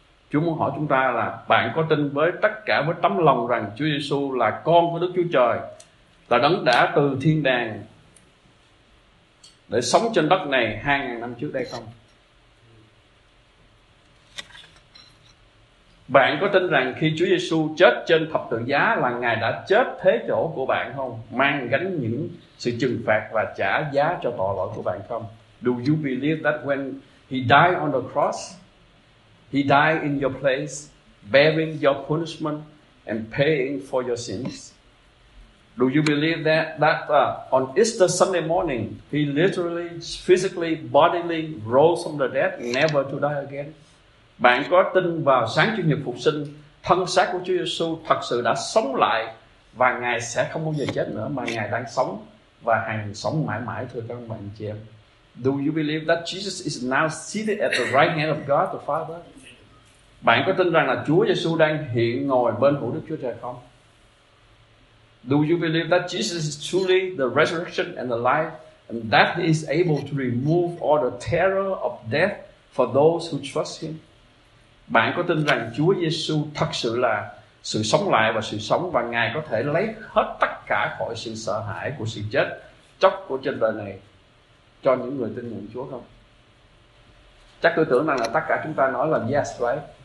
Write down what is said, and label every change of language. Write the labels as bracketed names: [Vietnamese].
[Vietnamese] Chúa muốn hỏi chúng ta là bạn có tin với tất cả với tấm lòng rằng Chúa Giêsu là con của Đức Chúa Trời, là đấng đã từ thiên đàng để sống trên đất này 2000 năm trước đây không? Bạn có tin rằng khi Chúa Giêsu chết trên thập tự giá là Ngài đã chết thế chỗ của bạn không? Mang gánh những sự trừng phạt và trả giá cho tội lỗi của bạn không? [English] Do you believe that when He died on the cross, He died in your place, bearing your punishment and paying for your sins? Do you believe that on Easter Sunday morning, He literally, physically, bodily rose from the dead, never to die again? [Vietnamese] Bạn có tin vào sáng Chủ nhật phục sinh, thân xác của Chúa Giêsu thật sự đã sống lại và Ngài sẽ không bao giờ chết nữa, mà Ngài đang sống và hằng sống mãi mãi, thưa các bạn chị em? [English] Do you believe that Jesus is now seated at the right hand of God the Father? [Vietnamese] Bạn có tin rằng là Chúa Giêsu đang hiện ngồi bên hữu Đức Chúa Trời không? [English] Do you believe that Jesus is truly the resurrection and the life, and that He is able to remove all the terror of death for those who trust Him? [Vietnamese] Bạn có tin rằng Chúa Giêsu thật sự là sự sống lại và sự sống, và Ngài có thể lấy hết tất cả khỏi sự sợ hãi của sự chết chóc của trên đời này? cho những người tin nhận Chúa không? Chắc tôi tưởng rằng là tất cả chúng ta nói là [English] yes, right?